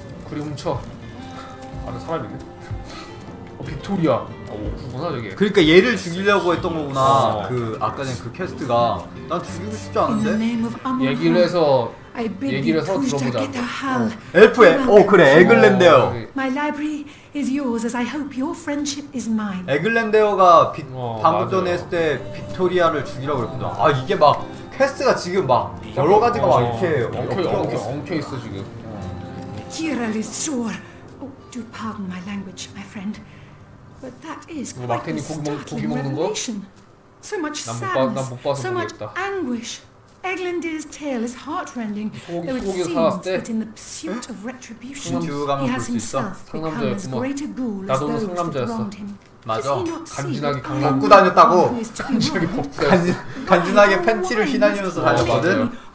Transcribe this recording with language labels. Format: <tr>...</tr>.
<ko>그리 훔쳐. 아는 사람이네. 빅토리아. 구구나 저게. 그러니까 얘를 죽이려고 했던 거구나. 그 아까 전 그 퀘스트가. 난 죽이고 싶지 않은데. 얘기를 해서 들어보자. 엘프에. 그래. 에글랜데요.</ko> <en>is yours as I hope your friendship is mine.</en> <ko>에글렌데어가 방금 전에 했을 때 빅토리아를 죽이라고 그랬구나. 아 이게 막 퀘스트가 지금 막 여러 가지가 막 이렇게 엉켜 있어 지금.</ko> <en>Kirill is sore. Oh, do pardon my language, my friend. But that is quite a startling revelation. So much sadness, so much anguish. Eglandir's tale is heartrending, though it seems that in the pursuit of retribution, he has himself become as great a ghoul as those that wronged him.</en> <ko>맞아. 간지나게 걷고 다녔다고. 간지나게 걷고 간지나게 팬티를 휘날리면서 다녔거든.</ko>